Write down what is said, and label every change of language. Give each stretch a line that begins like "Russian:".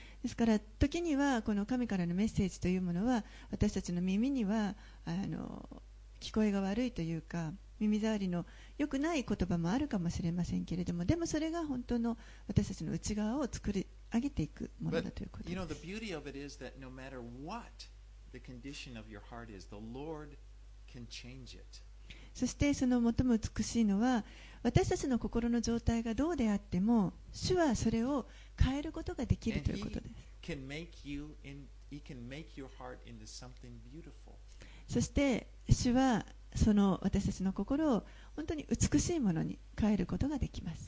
Japanese: ですから時にはこの神からのメッセージというものは私たちの耳には聞こえが悪いというか耳障りの良くない言葉もあるかもしれませんけれども、でもそれが本当の私たちの内側を作り上げていくものだということです。
English: But, you know, the beauty of it is that no matter what the condition of your heart is, the Lord can change it.
Japanese: そしてその最も美しいのは、私たちの心の状態がどうであっても主はそれを変えることができるということです。
English: He can make your heart into something beautiful.
Japanese: そして主はその私たちの心を本当に美しいものに変えることができます。